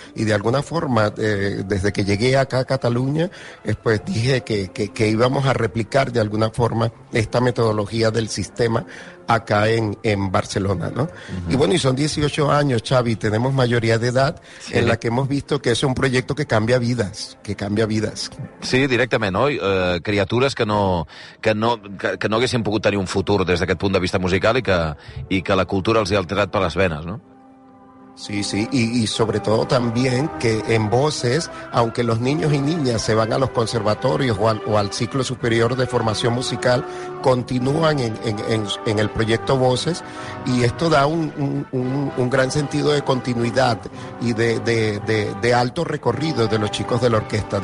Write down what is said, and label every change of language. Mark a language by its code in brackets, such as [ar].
[es] Y de alguna forma, desde que llegué acá a Cataluña, pues dije que íbamos a replicar de alguna forma esta metodología del sistema acá en Barcelona, ¿no? Uh-huh. Y bueno, y son 18 años, Xavi, tenemos mayoría de edad, sí. En la que hemos visto que es un proyecto que cambia vidas, que cambia vidas. [ca] Sí, directament, ¿no? Criatures que no haguessin pogut tenir un futur des d'aquest punt de vista musical i que la cultura els ha alterat per les venes, ¿no? [es] Sí, sí, y sobre todo también que en Voces, aunque los niños y niñas se van a los conservatorios o al ciclo superior de formación musical, continúan en el proyecto Voces, y esto da un gran sentido de continuidad y de alto recorrido de los chicos de la orquesta.